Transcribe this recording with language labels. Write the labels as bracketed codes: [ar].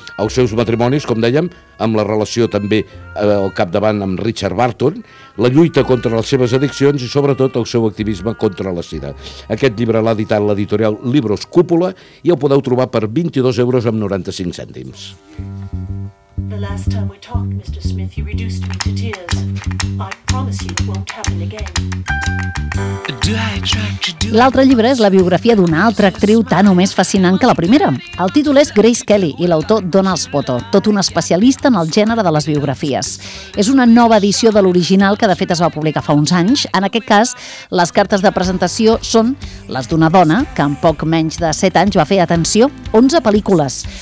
[ca] Els seus matrimonis, com dèiem, amb la relació també al capdavant amb Richard Burton, la lluita contra les seves addiccions i, sobretot, el seu activisme contra la sida. Aquest llibre l'ha editat l'editorial Libros Cúpula i el podeu trobar per 22 euros amb 95 cèntims. [en] The last time we talked, Mr. Smith, you reduced me to tears. I promise you it won't happen again. [ca] L'altre llibre és la biografia d'una altra actriu tan o més fascinant que la primera. El títol és Grace Kelly i l'autor Donald Spoto, tot un especialista en el gènere de les biografies. És una nova edició de l'original que de fet es va publicar fa uns anys. En aquest cas, les cartes de presentació són les d'una dona que en poc menys de 7 anys va fer, atenció, 11 pel·lícules.